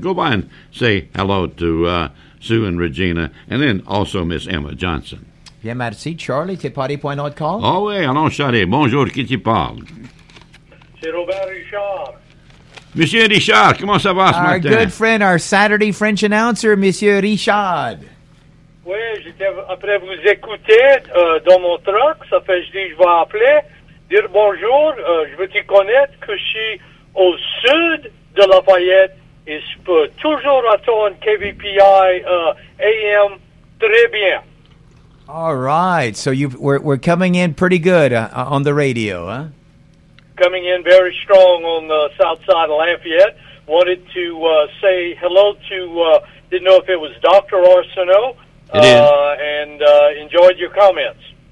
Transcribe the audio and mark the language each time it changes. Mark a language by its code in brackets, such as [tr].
[en] Go by and say hello to Sue and Regina and then also Miss Emma Johnson. [fr] Bien merci, Charlie. C'est Paris pour un autre call? Oh oui, allons chérie. Bonjour, qui tu parles? C'est Robert Richard. Monsieur Richard, comment ça va ce matin? [en] Our good friend, our Saturday French announcer, Monsieur Richard. [fr] Oui, j'étais après vous écouter dans mon truck. Ça fait, je dis, je vais appeler, dire bonjour. Je veux te connaître que je suis au sud de Lafayette et je peux toujours attendre KVPI AM très bien. [en] All right, so we're coming in pretty good on the radio, huh? Coming in very strong on the south side of Lafayette. Wanted to say hello to, didn't know if it was Dr. Arsenault. It is. And enjoyed your comments.